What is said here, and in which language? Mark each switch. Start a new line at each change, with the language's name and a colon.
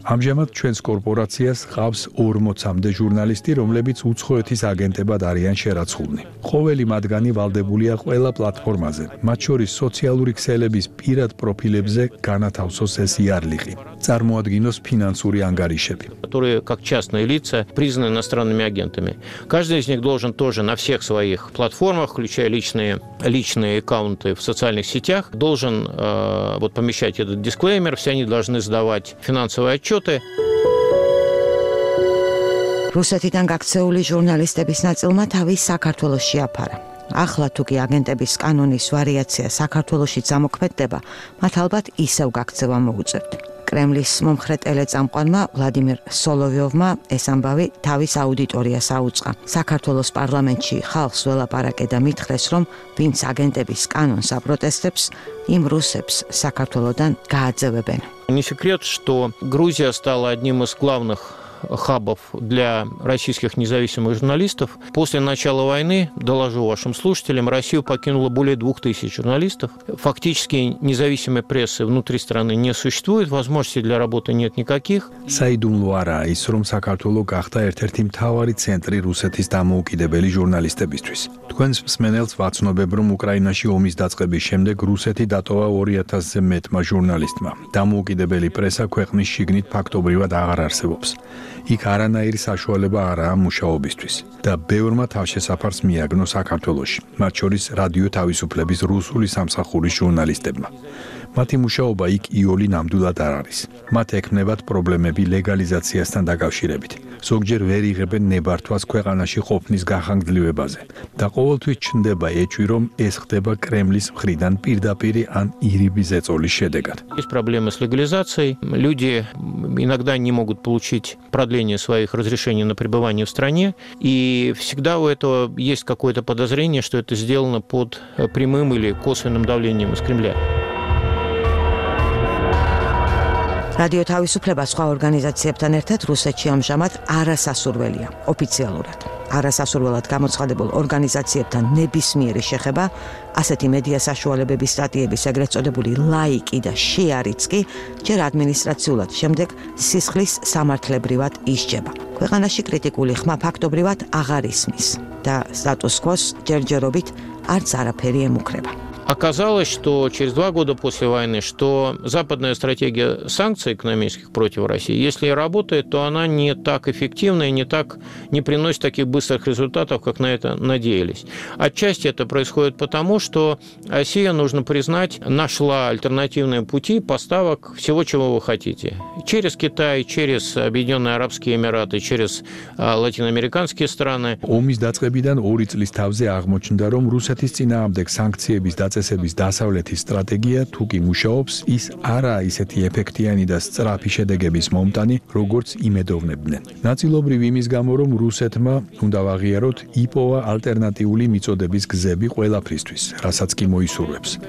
Georgian: ამჟამად ჩვენს კორპორაციას ყავს 40-მდე ჟურნალისტი, რომლებიც უცხოეთის აგენტებად არიან შერაცხულნი. ყოველი მათგანი ვალდებულია ყველა პლატფორმაზე, მათ შორის სოციალური ქსელების პირად პროფილებზე განათავსოს ეს იარლიყი, წარმოადგინოს ფინანსური ანგარიშები.
Russian: Которые как частные лица признаны иностранными агентами. Каждый из них должен тоже на всех своих платформах, включая личные аккаунты в социальных сетях, должен помещать этот дисклеймер. Все они должны сдавать финансовые отчеты.
Georgian: Русетидан гакцеули журналистების ნაწილმა თავი საქართველოს შეაფარა. ახლა თუ კი აგენტების კანონის ვარიაცია საქართველოში ამოქმედდება, მათ ალბათ ისევ გაქცევა მოუწევთ. კრემლის მომხრე ტელეწამყვანმა ვლადიმერ სოლოვიოვმა ეს ამბავი თავის აუდიტორიას აუწყა. საქართველოს პარლამენტში ხალხს ველაპარაკე და მითხრეს, რომ ვინც აგენტების კანონს აპროტესტებს, იმ რუსებს საქართველოდან გააძევებენ.
Russian: Не секрет, что Грузия стала одним из главных хабов для российских независимых журналистов. После начала войны, доложу вашим слушателям, Россию покинуло более 2000 журналистов. Фактически независимой прессы внутри страны не существует, возможностей для работы нет никаких.
Georgian: Саидумлу араис, რომ საქართველო გახდა ერთ-ერთი მთავარი ცენტრი რუსეთის დამოუკიდებელი ჟურნალისტებისთვის. Თქვენს მსმენელს ვაცნობებ, რომ უკრაინაში ომის დაწყების შემდეგ რუსეთი დატოვა 2000-ზე მეტმა ჟურნალისტმა. დამოუკიდებელი პრესა ქვეყნის შიგნით ფაქტობრივად აღარ არსებობს. იქ არანაირი საშუალება არაა მუშაობისთვის და ბევრმა თავშესაფარს მიაგნო საქართველოში, მათ შორის რადიო თავისუფლების რუსული სამსახურის ჟურნალისტებმა. მათი მუშაობა იქ იოლი ნამდვილად არ არის. მათ ექმნებათ პრობლემები ლეგალიზაციასთან დაკავშირებით. ზოგჯერ ვერ იღებენ ნებართვას ქვეყანაში ყოფნის გახანგრძლივებაზე და ყოველთვის ჩნდება ეჭვი, რომ ეს ხდება კრემლის მხრიდან პირდაპირი ან ირიბის ეწოლის შედეგად.
Russian: Есть проблемы с легализацией. Люди иногда не могут получить продление своих разрешений на пребывание в стране, и всегда у этого есть какое-то подозрение, что это сделано под прямым или косвенным давлением из Кремля.
Georgian: Радио თავისუფლება სხვა ორგანიზაციებთან ერთად რუსეთში ამჟამად არასასურველია ოფიციალურად. არასასურველად გამოცხადებულ ორგანიზაციებთან ნებისმიერი შეხება, ასეთი მედია საშუალებების სტატიების, ეგრეთ წოდებული ლაიკი და შეარიც კი ჯერ ადმინისტრაციულად, შემდეგ სისხლის სამართლებრივად ისჯება. ქვეყანაში კრიტიკული ხმა ფაქტობრივად აღარ ისმის და სტატუს-კვოს ჯერჯერობით არც არაფერი ემუქრება.
Russian: Оказалось, что через 2 года после войны, что западная стратегия санкций экономических против России, если и работает, то она не так эффективна и не приносит таких быстрых результатов, как на это надеялись. Отчасти это происходит потому, что Россия, нужно признать, нашла альтернативные пути поставок всего, чего вы хотите. Через Китай, через Объединенные Арабские Эмираты, через латиноамериканские страны.
Georgian: Омис дацкебидан 2 წლის თავზე აღმოჩნდა, რომ რუსეთის წინააღმდეგ санкციების წესების დასავლეთის სტრატეგია, თუ კი მუშაობს, ის არაა ისეთი ეფექტიანი და სწრაფი შედეგების მომტანი, როგორც იმედოვნებდნენ. ნაწილობრივ იმის გამო, რომ რუსეთმა, უნდა ვაღიაროთ, იპოვა ალტერნატიული მიწოდების გზები ყველაფრისთვის, რასაც კი მოისურვებს.